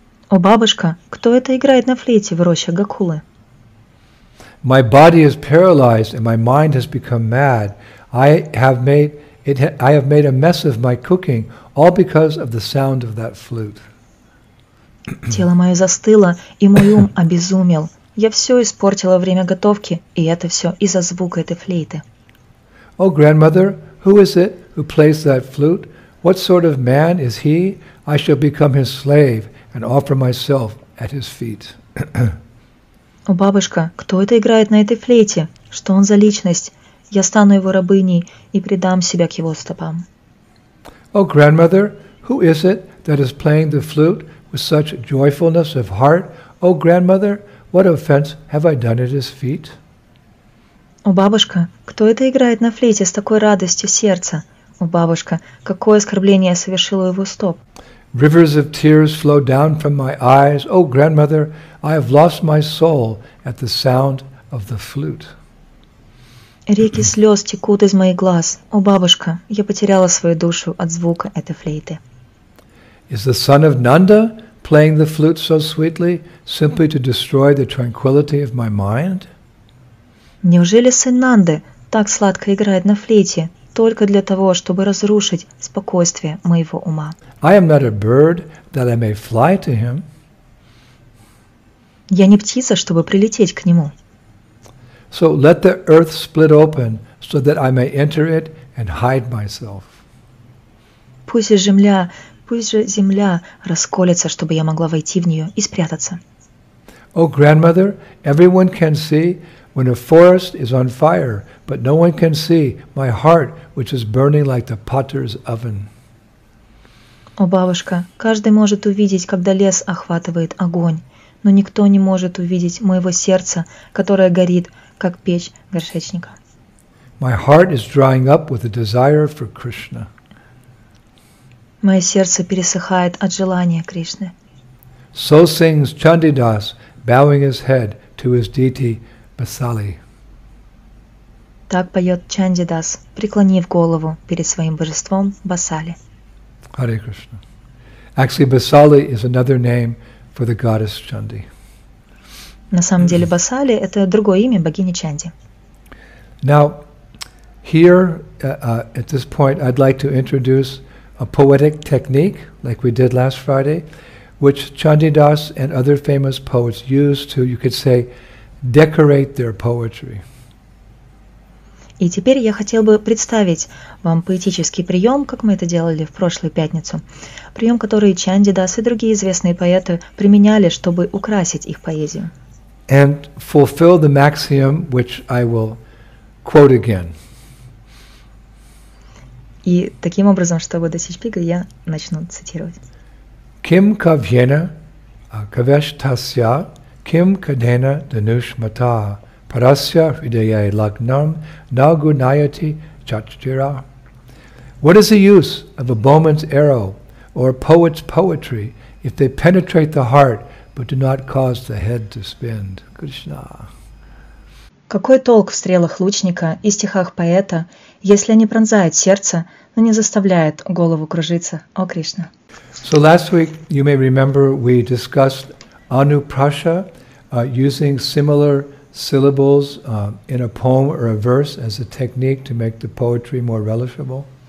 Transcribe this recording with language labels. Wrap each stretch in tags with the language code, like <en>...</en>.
<ru>О бабушка, кто это играет на флейте в роще Гокулы?</ru> <en>My body is paralyzed and my mind has become mad. I have made a mess of my cooking, all because of the sound of that flute.</en> <ru>Тело мое застыло, и мой ум обезумел. Я все испортила время готовки, и это все из-за звука этой флейты.</ru> <en>O grandmother, who is it who plays that flute? What sort of man is he? I shall become his slave and offer myself at his feet.</en> <ru>О бабушка, кто это играет на этой флейте? Что он за личность? Я стану его рабыней и предам себя к его стопам.</ru> <en>O grandmother, who is it that is playing the flute with such joyfulness of heart? O grandmother, what offense have I done at his feet?</en> <ru>О бабушка, кто это играет на флейте с такой радостью сердца? О бабушка, какое оскорбление я совершила его стоп?</ru> <en>Rivers of tears flow down from my eyes. O grandmother, I have lost my soul at the sound of the flute.</en> <ru>Реки слез текут из моих глаз. О бабушка, я потеряла свою душу от звука этой флейты.</ru> <en>Is the son of Nanda playing the flute so sweetly simply to destroy the tranquility of my mind?</en> <ru>Неужели сын Нанды так сладко играет на флейте, только для того, чтобы разрушить спокойствие моего ума?</ru> <en>I am not a bird that I may fly to him.</en> <ru>Я не птица, чтобы прилететь к нему.</ru> <en>So let the earth split open so that I may enter it and hide myself.</en> <ru>Пусть же земля расколется, чтобы я могла войти в нее и спрятаться.</ru> <en>O grandmother, everyone can see when a forest is on fire, but no one can see my heart, which is burning like the potter's oven.</en> <ru>О бабушка, каждый может увидеть, когда лес охватывает огонь, но никто не может увидеть моего сердца, которое горит, как печь горшечника.</ru> <en>My heart is drying up with a desire for Krishna.</en> <ru>Мое сердце пересыхает от желания Кришны.</ru> <en>So sings Chandidas, bowing his head to his deity, Basali.</en> <ru>Так поет Чандидас, преклонив голову перед своим божеством Басали.</ru> <en>Hare Krishna. Actually, Basali is another name for the goddess Chandi.</en> <ru>На самом деле Басали – это другое имя богини Чанди.</ru> <en>Now, here, at this point, I'd like to introduce a poetic technique, like we did last Friday, which Chandidas and other famous poets used to, you could say, decorate their poetry.</en> <ru>И теперь я хотел бы представить вам поэтический прием, как мы это делали в прошлую пятницу. Прием, который Чандидас и другие известные поэты применяли, чтобы украсить их поэзию.</ru> <en>And fulfill the maxim, which I will quote again.</en> <ru>И таким образом, чтобы достичь пика, я начну цитировать.</ru> <sa>Kim kavyena kavesh tasya, kim kadena danush mata, parasya hridaye lagnam nagunayati chachira.</sa> <en>What is the use of a bowman's arrow or a poet's poetry if they penetrate the heart but do not cause the head to spin? Krishna.</en> <ru>Какой толк в стрелах лучника и стихах поэта, если они пронзают сердце, но не заставляют голову кружиться? О, Кришна!</ru> <en>So last week, you may remember, we discussed Anuprasha using similar syllables in a poem or a verse as a technique to make the poetry more relishable.</en>